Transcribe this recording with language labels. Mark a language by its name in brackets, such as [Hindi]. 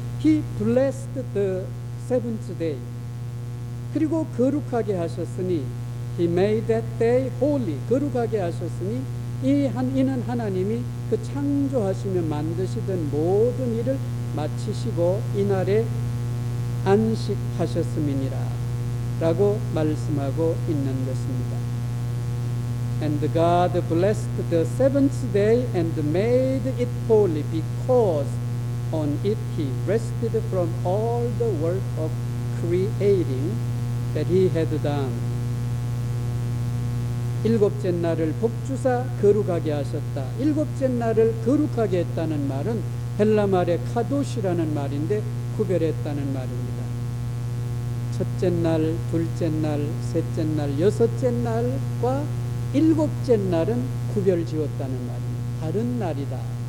[English] He blessed the seventh day. [Korean] 그리고 거룩하게 하셨으니 [English] He made that day holy. [Korean] 거룩하게 하셨으니 이는 하나님이 그 창조하시며 만드시던 모든 일을 마치시고 이날에 안식하셨음이니라. 라고 말씀하고 있는 것입니다. [English] And God blessed the seventh day and made it holy because on it he rested from all the work of creating that he had done. [Korean] 일곱째 날을 복주사 거룩하게 하셨다. 일곱째 날을 거룩하게 했다는 말은 헬라 말의 카도시라는 말인데 구별했다는 말입니다. 첫째 날, 둘째 날, 셋째 날, 여섯째 날과 일곱째 날은 구별 지었다는 말입니다. 다른 날이다.